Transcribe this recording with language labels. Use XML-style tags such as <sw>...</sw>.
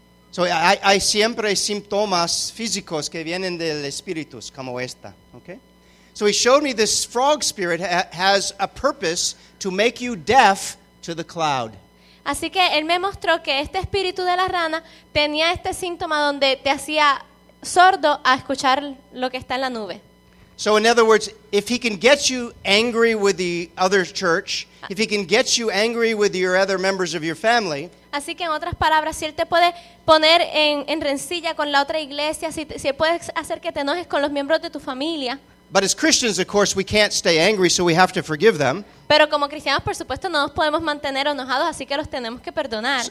<es>So hay siempre síntomas físicos que vienen del espíritu, como esta, okay?</es> <en>So he showed me this frog spirit has a purpose to make you deaf to the cloud.</en> <es>Así que él me mostró que este espíritu de la rana tenía este síntoma donde te hacía sordo a escuchar lo que está en la nube.</es> <en>So in other words, if he can get you angry with the other church, if he can get you angry with your other members of your family.</en> <es>Así que en otras palabras, si él te puede poner en rencilla con la otra iglesia, si puede hacer que te enojes con los miembros de tu familia.</es> <en>But as Christians, of course, we can't stay angry, so we have to forgive them.</en> <es>Pero como cristianos, por supuesto, no nos podemos mantener enojados, así que los tenemos que perdonar.</es>